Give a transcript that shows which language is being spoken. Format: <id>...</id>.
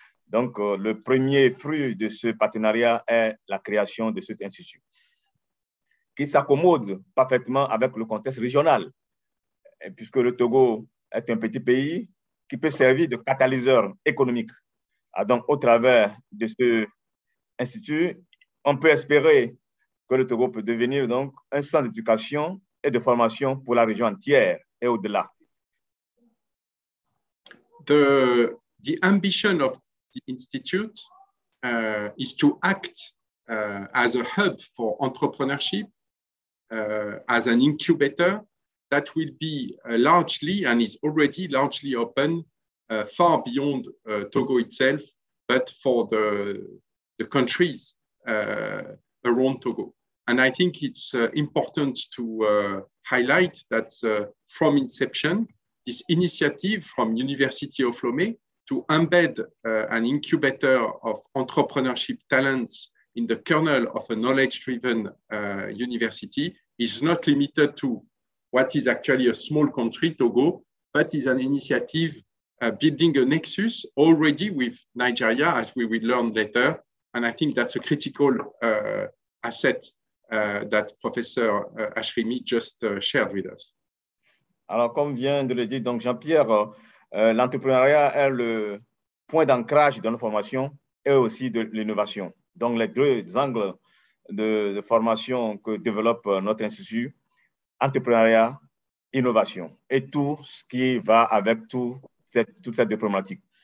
<fr>Donc, le premier fruit de ce partenariat est la création de cet institut, qui s'accommode parfaitement avec le contexte régional, puisque le Togo est un petit pays qui peut servir de catalyseur économique. Ah, donc, au travers de ce institut, on peut espérer que le Togo peut devenir donc un centre d'éducation et de formation pour la région entière et au-delà.</fr> <en>The ambition of the institute is to act as a hub for entrepreneurship, as an incubator that will be largely and is already largely open far beyond Togo itself, but for the countries around Togo. And I think it's important to highlight that from inception, this initiative from University of Lomé to embed an incubator of entrepreneurship talents in the kernel of a knowledge-driven university is not limited to what is actually a small country, Togo, but is an initiative building a nexus already with Nigeria, as we will learn later. And I think that's a critical asset that Professor Ashrimi just shared with us.</en> <fr>Alors, comme vient de le dire donc Jean-Pierre, l'entrepreneuriat est le point d'ancrage de notre formation et aussi de l'innovation. Donc, les deux angles de formation que développe notre institut, entrepreneuriat, innovation, et tout ce qui va avec toutes ces deux problématiques.</fr>